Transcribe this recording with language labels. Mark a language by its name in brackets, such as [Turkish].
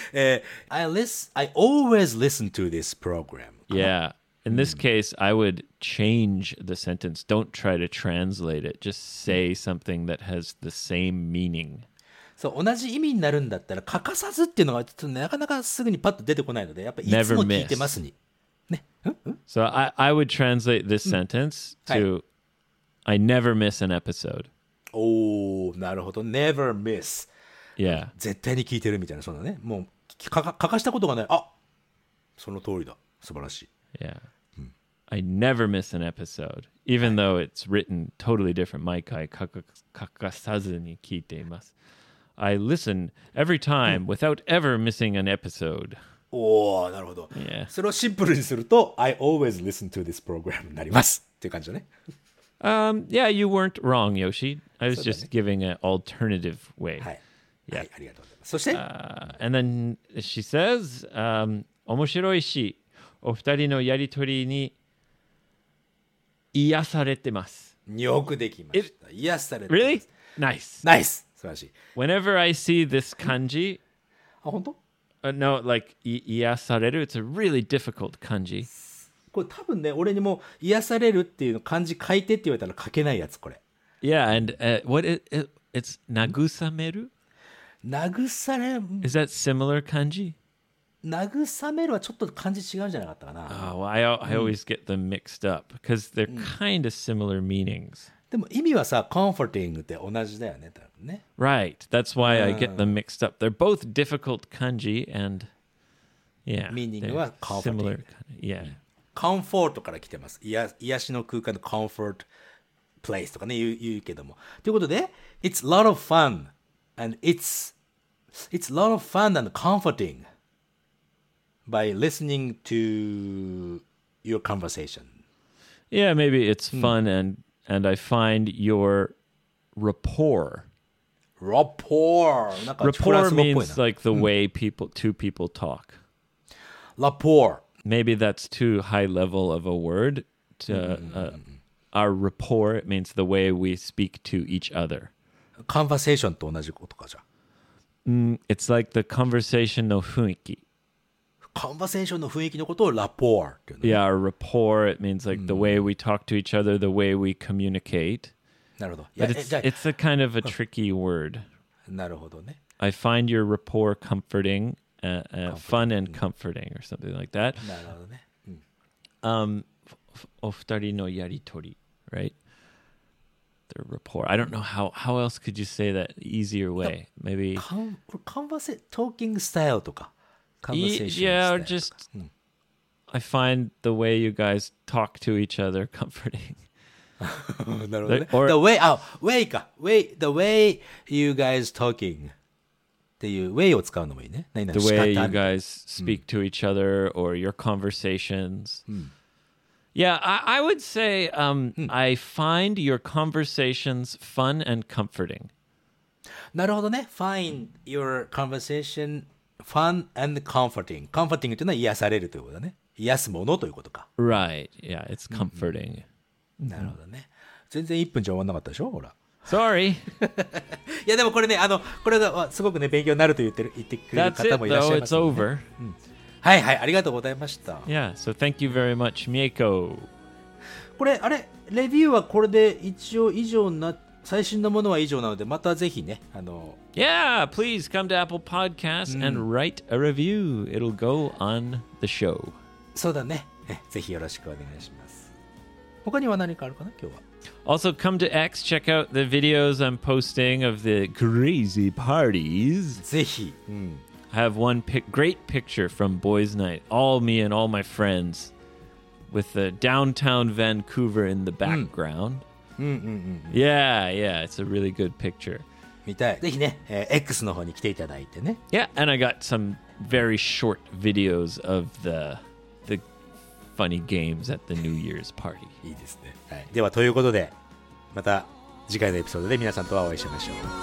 [English] I always listen to this program. Yeah, in this case, I would change the sentence. Don't try to translate it. Just say something that has the same meaning. [Japanese] そう、同じ意味になるんだったら欠かさずっていうのがちょっとなかなかすぐにパッと出てこないので、やっぱりいつも聞いてますに。ね、 [English] So I would translate this sentence to、 [Japanese] はい、 [English] I never miss an episode. Oh, [Japanese] なるほど。 [English] Never miss. Yeah. [Japanese] 絶対に聞いてるみたいな。そのね。もう書かしたことがない。あ、その通りだ。素晴らしい。 [English] Yeah.、I never miss an episode, even、 [Japanese] はい、 [English] though it's written totally different. [Japanese] 毎回書かさずに聞いています。 [English] I listen every time without ever missing an episode. [Japanese] おー、なるほど。 [English] Yeah. [Japanese] それをシンプルにすると、 [English] I always listen to this program [Japanese] になりますっていう感じだね。 [English] Yeah, you weren't wrong, Yoshi. I was just giving an alternative way. [Japanese] はい。 [English] Yeah. [Japanese] はい、ありがとうございます。そして、 [English] And then she says, [Japanese] 面白いし、お二人のやりとりに癒されてます。よくできました。癒されてます。 [English] Really? Nice. Nice. [Japanese] 素晴らしい。 [English] Whenever I see this kanji... [Japanese] あ、本当? [English] No, like 癒される, it's a really difficult kanji. [Japanese] これ多分ね、俺にも癒されるっていう漢字書いてって言われたら書けないやつこれ。 [English] Yeah, and what it's 慰める？ [Japanese] 慰め。 [English] Is that similar 漢字？ [Japanese] 慰めるはちょっと漢字違うんじゃなかったかな。 [English] I always get them mixed up because they're kind of similar meanings. [Japanese] でも意味はさ、comforting って同じだよね、多分ね。 [English] Right, that's why I get them mixed up. They're both difficult 漢字 and yeah, meaning [Japanese] は [English] comforting. Similar, yeah. [Japanese] コンフォートから来てます。癒しの空間のコンフォートプレイスとかね、言うけども。ということで、 [English] It's a lot of fun. And it's a lot of fun and comforting by listening to your conversation. Yeah, maybe it's fun and I find your rapport. Rapport. Rapport means like the way two people talk. Rapport. Maybe that's too high level of a word. To, our rapport means the way we speak to each other. [Japanese] Conversation と同じことかじゃ。 [English] It's like the conversation [Japanese] の雰囲気。 Conversation の雰囲気のことを rapport っていうの。 [English] Yeah, our rapport it means like the way we talk to each other, the way we communicate. [Japanese] なるほど。 [English] But it's a kind of a tricky word. [Japanese] なるほどね。 [English] I find your rapport comforting. Fun and comforting or something like that. [Japanese] なるほどね。お二人のやりとり、 [English] right? The rapport. I don't know how else could you say that easier way? Maybe talking style [Japanese] とか [English] conversation style. Yeah, just I find the way you guys talk to each other comforting. [Japanese] なるほどね。 [English] The way you guys talking. [Japanese] Way を使うのもいいね。 [English] The way you guys speak to each other or your conversations. Yeah, I would say I find your conversations fun and comforting. [Japanese] なるほどね。 [English] Find your conversation fun and comforting. [Japanese] Comforting というのは癒されるということだね。癒すものということか。 [English] Right. Yeah, it's comforting. [Japanese] なるほどね。全然1分じゃ終わんなかったでしょ、ほら。 [English] Sorry. [Japanese] いやでもこれね、これがすごくね勉強になると言ってくれる方もいらっしゃいます、ね。 [English] That's it, though. It's over. [Japanese] はいはい、ありがとうございました。 [English] Yeah, so thank you very much, Mieko. [Japanese] これあれレビューはこれで一応以上な最新のものは以上なのでまたぜひね [English] Yeah, please come to Apple Podcasts and write a review. It'll go on the show. [Japanese] そうだね。ぜひよろしくお願いします。他には何かあるかな今日は。 [English] Also, come to X, check out the videos I'm posting of the crazy parties. [Japanese] ぜひ。 [English] I have one great picture from Boys Night. All me and all my friends with the downtown Vancouver in the background. Yeah, yeah, it's a really good picture. [Japanese] 見たい。ぜひね、X の方に来ていただいてね。 [English] Yeah, and I got some very short videos of the funny games at the New Year's party. [Japanese] いいですね。はい、ではということでまた次回のエピソードで皆さんとはお会いしましょう。